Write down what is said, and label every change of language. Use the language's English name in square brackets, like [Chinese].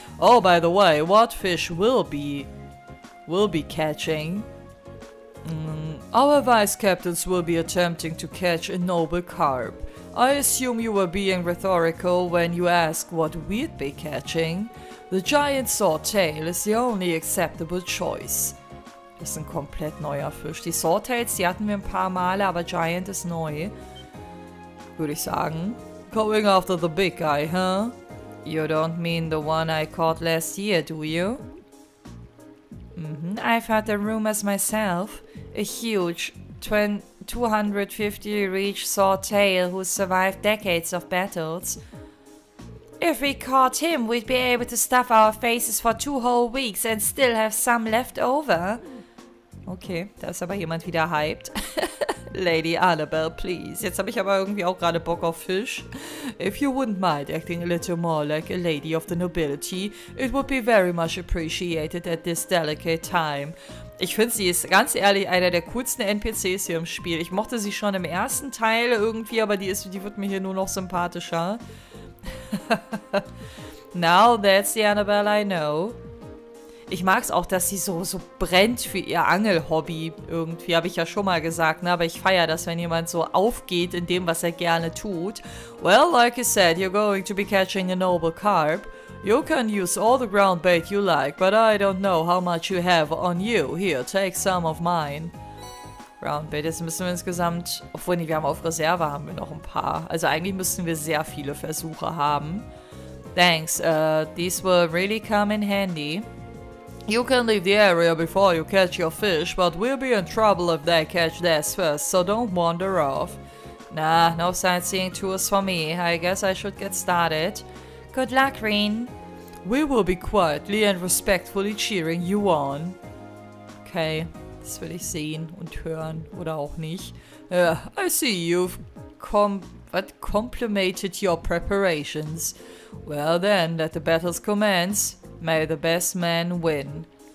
[English] Oh, by the way, what fish will be catching? Our vice captains will be attempting to catch a noble carp. I assume you were being rhetorical when you asked what we'd be catching. The giant swordtail is the only acceptable choice. [German] Das ist ein komplett neuer Fisch. Die Swordtails, die hatten wir ein paar Male, aber Giant ist neu. Würde ich sagen. [English] Going after the big guy, huh? You don't mean the one I caught last year, do you? Mm-hmm. I've heard the rumors myself. A huge 250-reach swordtail who survived decades of battles. If we caught him, we'd be able to stuff our faces for 2 whole weeks and still have some left over. [German] Okay, da ist aber jemand wieder hyped. [English] Lady Annabelle, please. [German] Jetzt habe ich aber irgendwie auch gerade Bock auf Fisch. [English] If you wouldn't mind acting a little more like a lady of the nobility, it would be very much appreciated at this delicate time. [German] Ich finde, sie ist ganz ehrlich einer der coolsten NPCs hier im Spiel. Ich mochte sie schon im ersten Teil irgendwie, aber die wird mir hier nur noch sympathischer. [English] Now that's the Annabelle I know. [German] Ich mag es auch, dass sie so brennt für ihr Angelhobby. Irgendwie habe ich ja schon mal gesagt, ne? Aber ich feiere das, wenn jemand so aufgeht in dem, was er gerne tut. [English] Well, like I said, you're going to be catching a noble carp. You can use all the ground bait you like, but I don't know how much you have on you. Here, take some of mine. [German] Ground bait, jetzt müssen wir insgesamt, obwohl wir haben auf Reserve, haben wir noch ein paar. Also eigentlich müssten wir sehr viele Versuche haben. [English] Thanks, these will really come in handy. You can leave the area before you catch your fish, but we'll be in trouble if they catch theirs first, so don't wander off. Nah, no sightseeing tours for me. I guess I should get started. Good luck, Rin. We will be quietly and respectfully cheering you on. [German] Okay, das will ich sehen und hören, oder auch nicht. [English] I see you've complimented your preparations. Well then, let the battles commence. May the best man win.